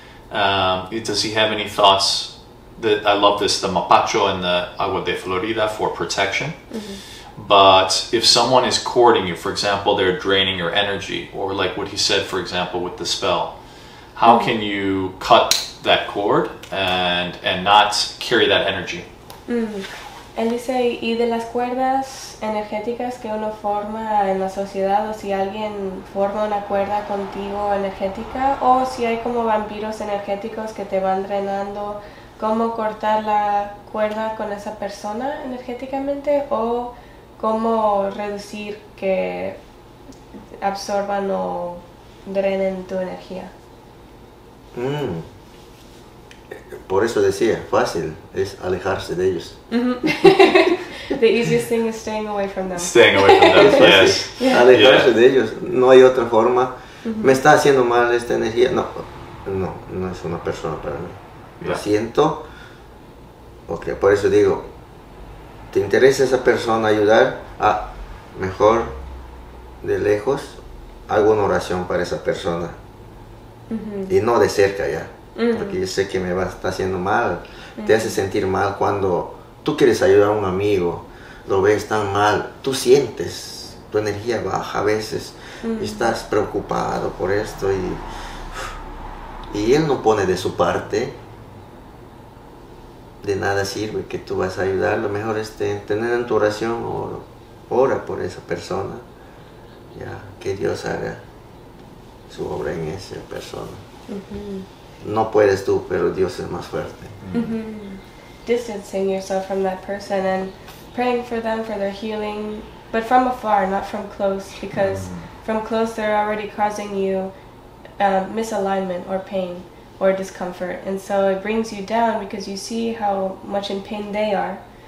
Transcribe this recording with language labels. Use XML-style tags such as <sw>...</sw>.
<en>Does he have any thoughts? That I love this, the mapacho and the agua de Florida for protection. But if someone is cording you, for example, they're draining your energy, or like what he said, for example, with the spell, how can you cut that cord and not carry that energy?</en> <es>Él dice, y de las cuerdas energéticas que uno forma en la sociedad, o si alguien forma una cuerda contigo energética, o si hay como vampiros energéticos que te van drenando, ¿cómo cortar la cuerda con esa persona energéticamente? ¿O cómo reducir que absorban o drenen tu energía? Por eso decía, fácil es alejarse de ellos.</es> <en>The easiest thing is staying away from them. Staying away from them, yes.</en> <es>Yeah. Alejarse de ellos, no hay otra forma. ¿Me está haciendo mal esta energía? No es una persona para mí. Lo siento. Ok, por eso digo, ¿te interesa esa persona ayudar? Mejor de lejos hago una oración para esa persona. Y no de cerca ya, porque yo sé que me va a estar haciendo mal. Te hace sentir mal cuando tú quieres ayudar a un amigo, lo ves tan mal, tú sientes tu energía baja a veces, y estás preocupado por esto y él no pone de su parte. De nada sirve que tú vas a ayudar, lo mejor es tener en tu oración ora por esa persona, ya, que Dios haga su obra en esa persona. No puedes tú, pero Dios es más fuerte.</es> <en>Distancing yourself from that person and praying for them, for their healing, but from afar, not from close, because from close they're already causing you misalignment or pain. or discomfort. And so it brings you down because you see how much in pain they are.</en>